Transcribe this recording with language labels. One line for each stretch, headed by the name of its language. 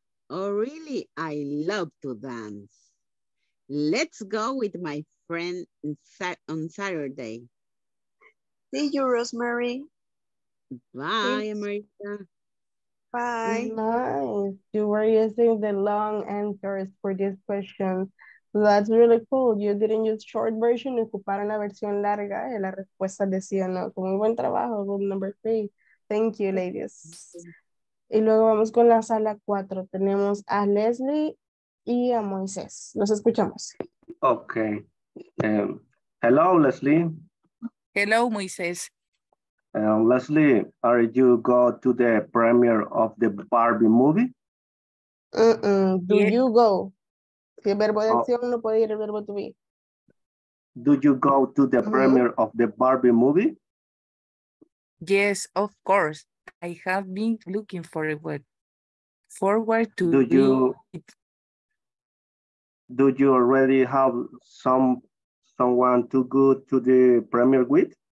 English: Oh, really? I love to dance. Let's go with my friend on Saturday. See you, Rosemary. Bye, America. Bye. Nice. You were using the long answers for this question. That's really cool. You didn't use short version.
Spanish: Ocuparon la versión larga y la respuesta decía no. Muy buen trabajo,
English: room number three. Thank you, ladies.
Spanish: Y luego vamos con la sala cuatro. Tenemos a Leslie y a Moisés. Los escuchamos.
English: Okay. Hello, Leslie. Hello, Moisés. Leslie, are you go to the premiere of the Barbie movie? Do you go?
Spanish: Si el verbo de acción no puede ir el verbo to be.
English: Do you go to the premiere of the Barbie movie? Yes, of course. I have been looking for a word. Forward to do you. It. Do you already have someone to go to the premiere with?